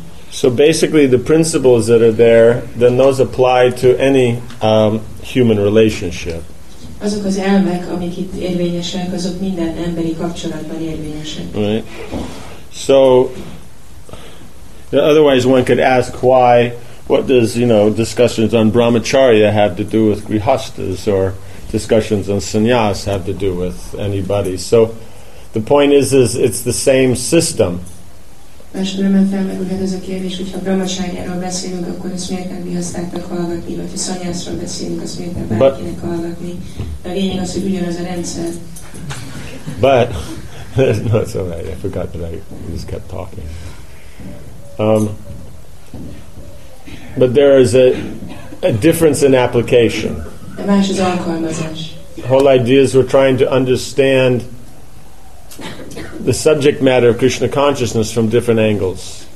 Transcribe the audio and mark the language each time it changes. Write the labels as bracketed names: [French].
[English] So basically the principles that are there, then those apply to any human relationship. [Hungarian] Azok az elvek, amik itt érvényesek, azok minden emberi kapcsolatban érvényesek. [English] Right. So, otherwise one could ask why, what does, you know, discussions on brahmacharya have to do with grihasthas, or discussions on sannyas have to do with anybody. So, the point is it's the same system. [Hungarian] Másodlomban felmerülhet ez a kérdés, hogyha brahmacharyáról beszélünk, akkor ezt miért nem grihasztáknak hallgatni, vagy ha szanyászról beszélünk, azt miért nem bárkinek hallgatni. A lényeg az, hogy ugyanaz a rendszer. [English] But, no, it's all right, I forgot that I just kept talking. But there is a difference in application. [Hungarian] De más az alkalmazás. [English] Whole ideas we're trying to understand the subject matter of Krishna consciousness from different angles.